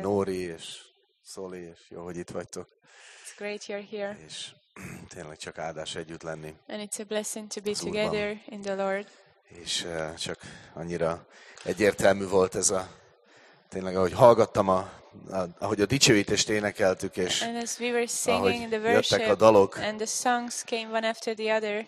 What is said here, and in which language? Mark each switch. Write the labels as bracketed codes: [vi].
[hu] Nóri és Szoli, és jó, hogy itt vagytok. [en] It's great you're here. [hu] És tényleg csak áldás együtt lenni. [en] And it's a blessing to be together in the Lord. [hu] És csak annyira egyértelmű volt ez a tényleg, ahogy hallgattam ahogy a dicsőítést énekeltük, és ahogy jöttek a dalok, [en] and the songs came one after the other,